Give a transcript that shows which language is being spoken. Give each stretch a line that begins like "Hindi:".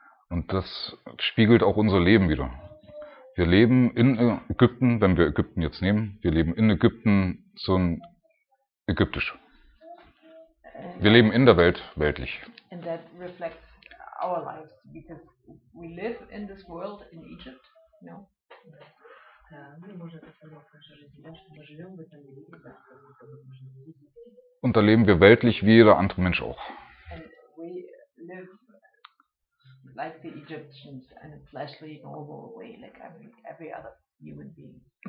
German: Und das spiegelt auch unser Leben wieder. Wir leben in Ägypten, wenn wir Ägypten jetzt nehmen, wir leben in Ägypten so ein ägyptisch. Wir leben in der Welt weltlich.
English: And that reflects our lives because we live in this world in Egypt, you know?
German: Und da leben wir weltlich wie jeder andere Mensch auch.
English: And we live like the Egyptians in a fleshly normal way, like every other human being.